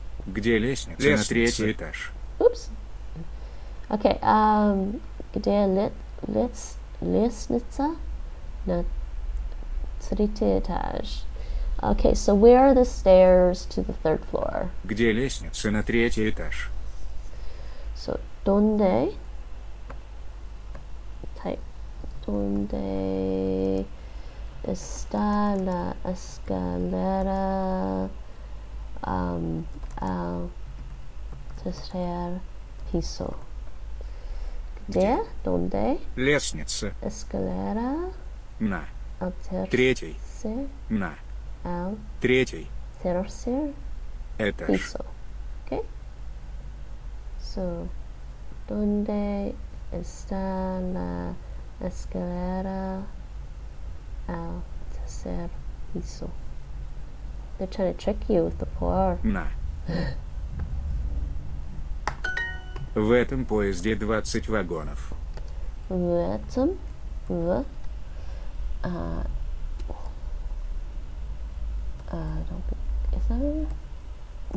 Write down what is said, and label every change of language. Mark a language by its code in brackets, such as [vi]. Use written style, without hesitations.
[ru] Где лестница на третий этаж? [en] Oops. Okay. [ru] Где лестница на третий этаж? [en] Okay. So where are the stairs to the third floor? [ru] Где лестница на третий этаж? [en] So donde? [es] Type donde. Está la escalera al tercer piso. ¿Где? ¿Dónde? [ru] Лестница. [es] Escalera. [ru] На. [es] Al tercer. На. Al tercer. Tercer. [ru] Это. [es] Piso. Okay. [en] So, [es] ¿dónde está la escalera al ser piso? [en] They're trying to trick you with the poor. [ru] На. В этом поезде 20 вагонов. В этом? В? [en] Is that a...